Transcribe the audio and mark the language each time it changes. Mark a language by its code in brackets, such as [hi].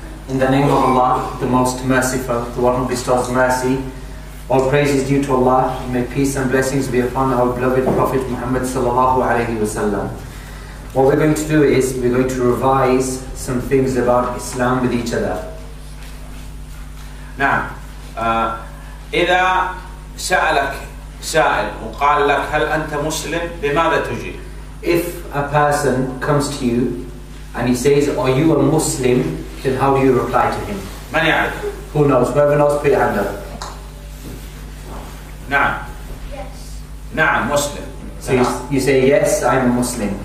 [en] In the name of Allah, the most merciful, the one who bestows mercy, all praise is due to Allah. May peace and blessings be upon our beloved Prophet Muhammad sallallahu alaihi wasallam. What we're going to do is we're going to revise some things about Islam with each other. [ar] نعم. إذا سألك سائل وقال لك هل أنت مسلم بماذا تجيب؟ [en] If a person comes to you and he says, "Are you a Muslim?" then how do you reply to him? [ar] من يعرف؟ [en] Who knows? Whoever knows, put your hand up. [ar] نعم. [en] Yes. [ar] نعم مسلم. [en] So you say yes, I'm a Muslim.